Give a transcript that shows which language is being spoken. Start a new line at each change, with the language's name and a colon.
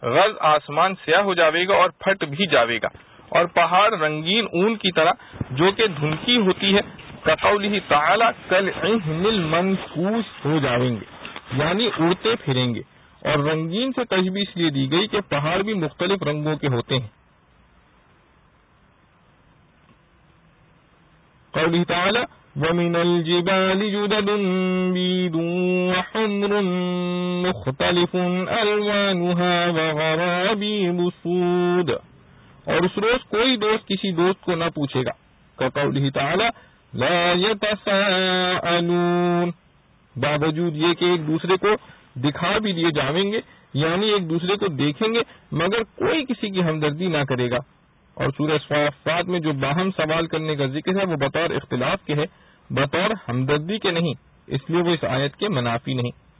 Urdu: غز آسمان سیاہ ہو جاوے گا اور پھٹ بھی جاوے گا, اور پہاڑ رنگین اون کی طرح جو کہ دھنکی ہوتی ہے,
Arabic: کقولہ تعالی کالعہن المنفوس
Urdu: ہو جاویں گے, یعنی اڑتے پھریں گے. اور رنگین سے تشبیہ اس لیے دی گئی کہ پہاڑ بھی مختلف رنگوں کے ہوتے ہیں.
Arabic: قوله تعالی ومن الجبال جدد بيض وحمر مختلف الوانها وغرابی بسود.
Urdu: اور اس روز کوئی دوست کسی دوست کو نہ پوچھے گا.
Arabic: قوله تعالی لا يتساءلون,
Urdu: باوجود یہ کہ ایک دوسرے کو دکھا بھی دیے جاویں گے, یعنی ایک دوسرے کو دیکھیں گے مگر کوئی کسی کی ہمدردی نہ کرے گا. اور سورہ صافات میں جو باہم سوال کرنے کا ذکر ہے وہ بطور اختلاف کے ہے, بطور ہمدردی کے نہیں, اس لیے وہ اس آیت کے منافی نہیں.